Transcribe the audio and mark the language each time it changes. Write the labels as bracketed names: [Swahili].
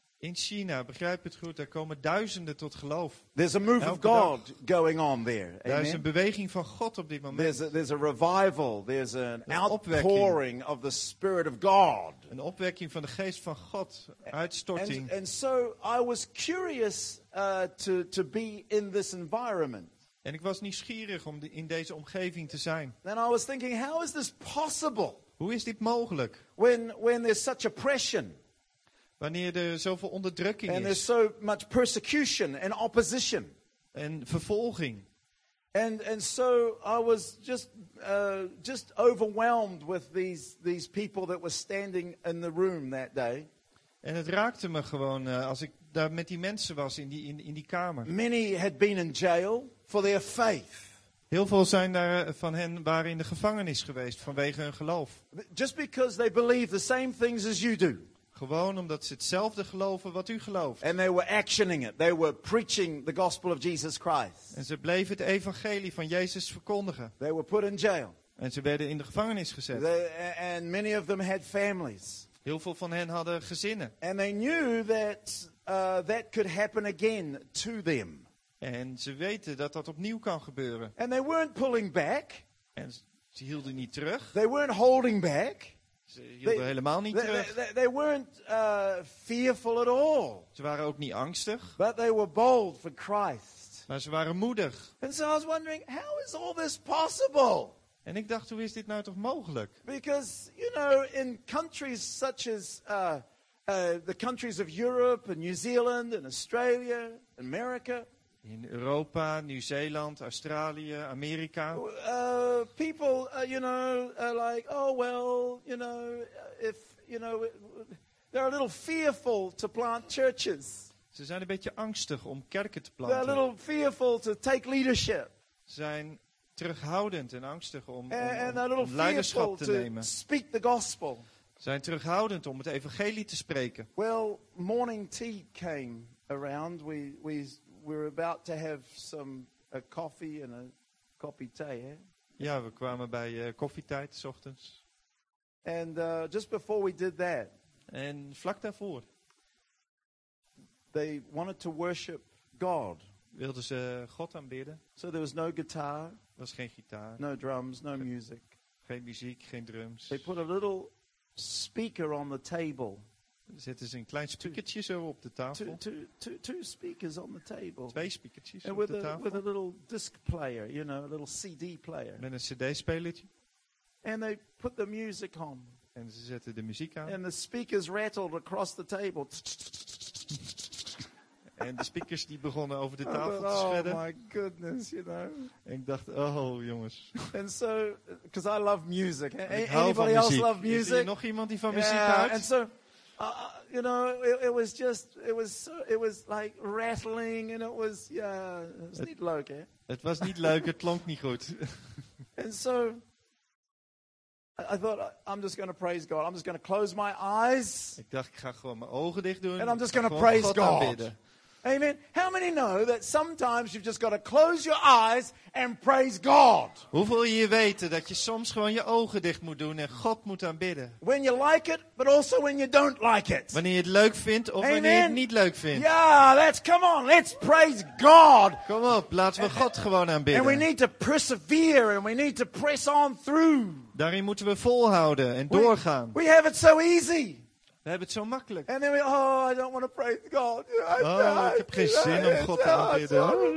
[Dutch] In China, begrijp het goed, daar komen duizenden tot geloof. [English] There's a move of God going on there. [Dutch] Daar is een beweging van God op dit moment. [English] There's a revival, there's an outpouring of the Spirit of God. [Dutch] Een opwekking van de geest van God, uitstorting. [English] And so I was curious to be in this environment. [Dutch] En ik was nieuwsgierig om in deze omgeving te zijn. [English] Then I was thinking, how is this possible? [Dutch] Hoe is dit mogelijk? [English] When there's such oppression. [Dutch] Wanneer er zoveel onderdrukking and is. [English] There's so much persecution and opposition. [Dutch] En vervolging. [English] And so I was just overwhelmed with these people that were standing in the room that day. [Dutch] En het raakte me gewoon als ik daar met die mensen was in die kamer. [English] Many had been in jail. For their faith. [Dutch] Heel veel zijn daar van hen waren in de gevangenis geweest vanwege hun geloof. [English] Just because they believe the same things as you do. [Dutch] Gewoon omdat ze hetzelfde geloven wat u gelooft. [English] And they were actioning it. They were preaching the gospel of Jesus Christ. [Dutch] En ze bleven het evangelie van Jezus verkondigen. [English] They were put in jail. [Dutch] En ze werden in de gevangenis gezet. [English] And many of them had families. [Dutch] Heel veel van hen hadden gezinnen. [English] And they knew that that could happen again to them. [Dutch] En ze weten dat dat opnieuw kan gebeuren. [English] And they weren't pulling back. [Dutch] En ze hielden niet terug. [English] They weren't holding back. [Dutch] Ze hielden helemaal niet terug. [English] They weren't fearful at all. [Dutch] Ze waren ook niet angstig. [English] But they were bold for Christ. [Dutch] Maar ze waren moedig. [English] And so I was wondering, how is all this possible? [Dutch] En ik dacht, hoe is dit nou toch mogelijk? [English] Because you know, in countries such as the countries of Europe and New Zealand and Australia, America. [Dutch] In Europa, Nieuw-Zeeland, Australië, Amerika. [English] People, you know, are like, oh well, you know, if you know, they're a little fearful to plant churches. [Dutch] Ze zijn een beetje angstig om kerken te planten. [English] They're a little fearful to take leadership. [Dutch] Ze zijn terughoudend en angstig om leiderschap te nemen. [English] To speak the gospel. [Dutch] Ze zijn terughoudend om het evangelie te spreken. [English] Well, morning tea came around. We're about to have a coffee and a coffee tea, hè? [Dutch] Ja, we kwamen bij koffietijd 's ochtends. [English] And just before we did that. [Dutch] En vlak daarvoor. [English] They wanted to worship God. [Dutch] Wilden ze God aanbidden? [English] So there was no guitar. [Dutch] Was geen gitaar. [English] No drums, no music. [Dutch] Geen muziek, geen drums. [English] They put a little speaker on the table. [Dutch] Zetten ze een klein speakertje zo op de tafel. [English] Two speakers on the table. [Dutch] Twee speakertjes and op de tafel. [English] With a little disc player, you know, a little CD player. [Dutch] Met een CD-spelertje. [English] And they put the music on. [Dutch] En ze zetten de muziek aan. [English] And the speakers rattled across the table. [Dutch] En de speakers die begonnen over de tafel te schudden. [English] Oh my goodness, you know. [Dutch] En ik dacht, oh jongens. [English] And so, because I love music. Anybody else love music? [Dutch] Is er nog iemand die van muziek houdt? [English] And so. You know, it was like rattling, and it was, it was [Dutch] niet leuk, hè? Het was niet leuk, het klonk niet goed. [English] And so, I thought, I'm just going to praise God, I'm just going to close my eyes. [Dutch] Ik dacht, ik ga gewoon mijn ogen dicht doen. [English] And I'm just going to praise God. Amen. How many know that sometimes you've just got to close your eyes and praise God? [Dutch] Hoeveel je weten dat je soms gewoon je ogen dicht moet doen en God moet aanbidden? [English] When you like it, but also when you don't like it. [Dutch] Wanneer je het leuk vindt of Amen. Wanneer je het niet leuk vindt. [English] Yeah, let's praise God. [Dutch] Kom op, laten we God gewoon aanbidden. [English] And we need to persevere and we need to press on through. [Dutch] Daarin moeten we volhouden en doorgaan. [English] We have it so easy. [Dutch] We hebben het zo makkelijk. [English] And then I don't want to praise God. [Dutch] Ik heb geen zin om God te aanbidden.